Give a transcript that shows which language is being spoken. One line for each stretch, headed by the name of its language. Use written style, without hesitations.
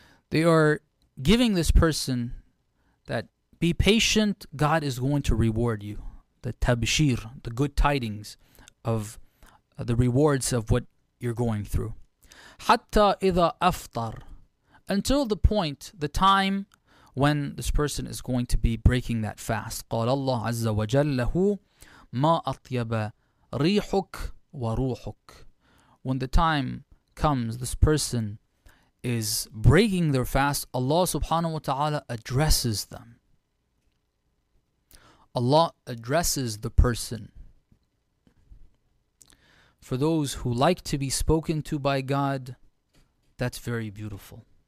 English: They are giving this person that be patient, God is going to reward you. The tabshir, the good tidings of the rewards of what you're going through.
Arabic: Hatta idha aftar,
English: until the point, the time when this person is going to be breaking that fast.
Arabic: قال الله عز وجل له ما أطيب ريحك وروحك.
English: When the time comes, this person is breaking their fast, Allah subhanahu wa ta'ala addresses them. Allah addresses the person. For those who like to be spoken to by God, that's very beautiful.